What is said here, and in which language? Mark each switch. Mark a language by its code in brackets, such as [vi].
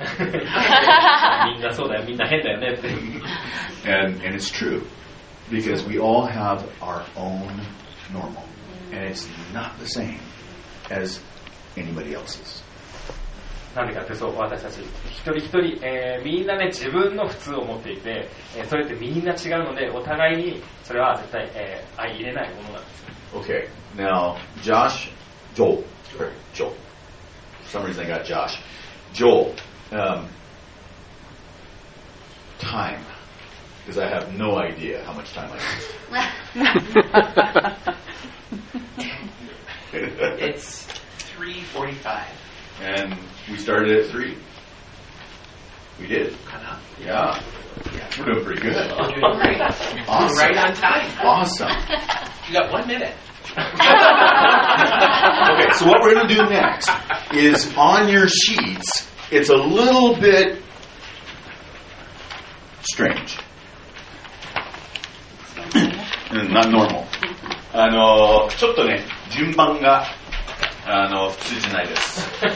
[en] and it's true because we all have our own normal, and it's not the same as anybody else's. [ja] なんでかってそう私たち一人一人、みんなね自分の普通を持っていて、それってみんな違うのでお互いにそれは絶対、相入れないものなんです。 [en] Okay, now Josh, Joel, sorry, Joel. For some reason I got Josh. Joel, time, because I have no idea how much time I have. It's 3:45. And we started at 3. We did. Kind of. Yeah. We're doing pretty good. Doing great. Awesome. We're right on time. Awesome. You got 1 minute. Okay, so what we're going to do next is on your sheets, it's a little bit strange. Not normal. [ja] ちょっとね、順番が普通じゃないです。